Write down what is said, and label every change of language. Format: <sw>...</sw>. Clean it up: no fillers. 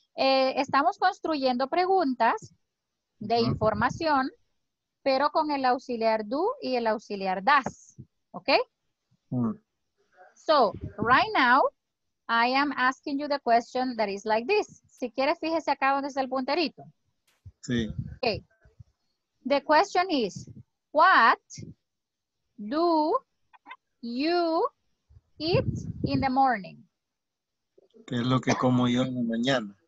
<es>Estamos construyendo preguntas de información, pero con el auxiliar do y el auxiliar does. Ok.</es> <en>So, right now, I am asking you the question that is like this.</en> <es>Si quieres, fíjese acá donde está el punterito. Sí. Okay.</es> <en>The question is, what do you eat in the morning?</en> <es>¿Qué es lo que como yo en la mañana?</es>